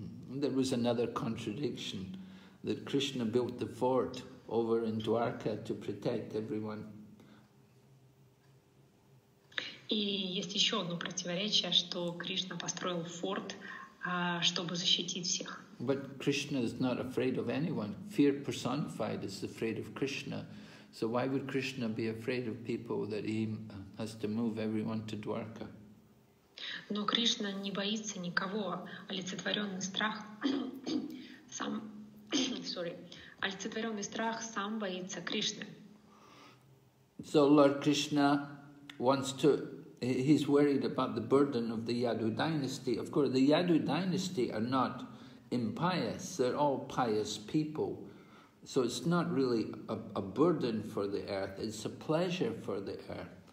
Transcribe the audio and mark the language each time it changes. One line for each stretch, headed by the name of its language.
English: There was another contradiction, that Krishna built the fort over in Dwarka to protect everyone.
Russian: И есть еще одно противоречие, что Кришна построил форт, чтобы защитить всех.
English: But Krishna is not afraid of anyone. Fear personified is afraid of Krishna. So why would Krishna be afraid of people that he has to move everyone to Dwarka?
Russian: Но Кришна не боится никого. Олицетворенный страх сам. Олицетворенный страх сам боится Кришны.
English: So Lord Krishna wants to, he's worried about the burden of the Yadu dynasty. Of course, the Yadu dynasty are not impious, they're all pious people. So it's not really a burden for the earth, it's a pleasure for the earth.